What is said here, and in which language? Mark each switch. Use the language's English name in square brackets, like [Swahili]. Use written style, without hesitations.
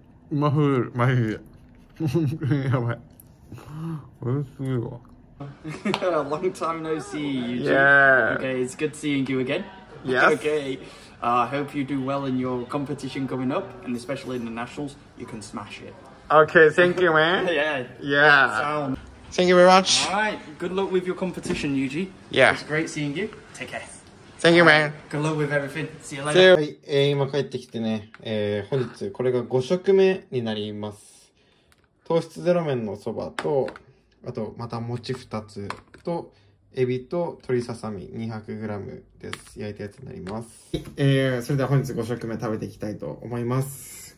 [Japanese] うまふうる、まふうる、やばい、おいしいわ。 [English] Long time no see, you two. Yeah. Okay, it's good seeing you again. Yes. Okay. I hope you do well in your competition coming up, and especially in the nationals, you can smash it. Okay, thank you, man. Yeah. Thank you very much. All right, good luck with your competition, Yuji. Yeah. It's great seeing you. Take care. Thank you, man. Good luck with everything. See you later. See you. [Japanese] はい、今帰ってきてね、本日これが5食目になります。糖質ゼロ麺のそばと、あとまた餅2つとエビと鶏ささみ 200g です。焼いたやつになります。それでは本日5食目食べていきたいと思います。